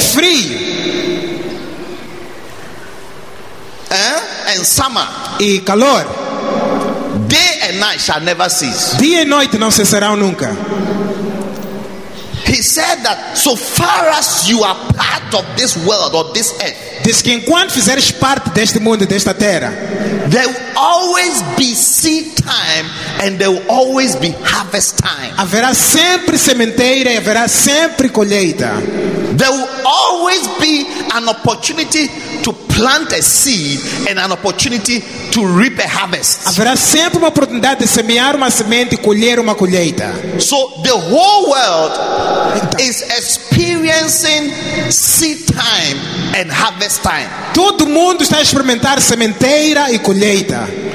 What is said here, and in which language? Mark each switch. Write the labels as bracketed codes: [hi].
[pt] frio, [en] and summer, [pt] e calor. [en] Day and night shall never cease. [pt] Dia e noite não cessarão nunca. [en] He said that so far as you are part of this world or this earth, [pt] diz que enquanto fizeres parte deste mundo, desta terra, [en] there will always be seed time and there will always be harvest time. [pt] Haverá sempre sementeira e haverá sempre colheita. [en] There will always be an opportunity to plant a seed and an opportunity to reap a harvest. [pt] Haverá sempre uma oportunidade de semear uma semente e colher uma colheita. [en] So the whole world is experiencing seed time and harvest time. [pt] Todo mundo está a experimentar sementeira e colheita.